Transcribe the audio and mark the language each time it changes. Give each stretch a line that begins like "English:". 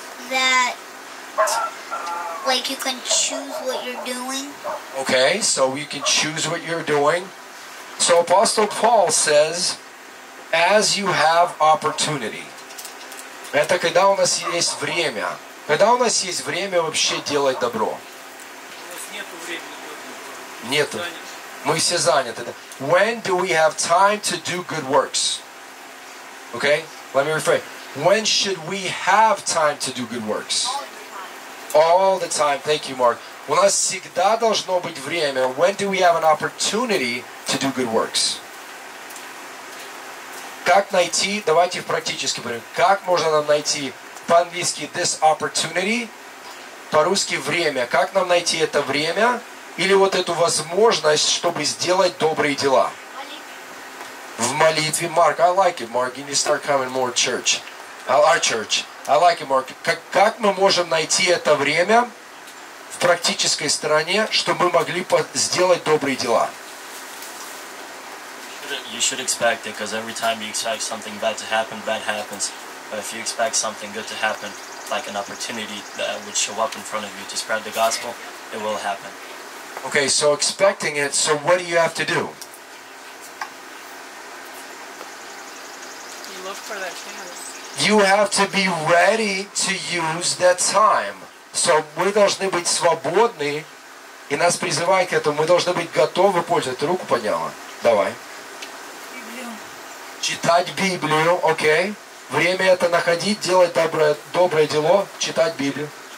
English: That, like, you can choose what you're doing. Okay, so you can choose what you're doing. So, Apostle Paul says, as you have opportunity.
Russian: Это когда у нас есть время. Когда у нас есть время вообще делать добро? У нас нету времени. Нету. Мы все заняты.
English: When do we have time to do good works? Okay? Let me rephrase. When should we have time to do good works? All the time. Thank you, Mark.
Russian: У нас всегда должно быть время.
English: When do we have an opportunity to do good works?
Russian: Как найти? Давайте практически поговорим. Как можно нам найти по-английски
English: this opportunity?
Russian: По-русски время. Как нам найти это время? Или вот эту возможность, чтобы сделать добрые дела. В молитве.
English: Марк, I like it, Mark. You need to start coming more to church. Our church. I like it, Mark.
Russian: Как мы можем найти это время в практической стороне, чтобы мы могли сделать добрые дела?
English: You should expect it, because every time you expect something bad to happen, bad happens. But if you expect something good to happen, like an opportunity that would show up in front of you to spread the gospel, it will happen. Okay, so expecting it, so what do you have to do? You look for that chance. You have to be ready to use that time.
Russian: So мы должны быть свободны, и нас призывают к этому, мы должны быть готовы пользоваться. Руку подняла. Давай. Библию. Читать Библию, okay. Время это находить, делать доброе дело, читать Библию.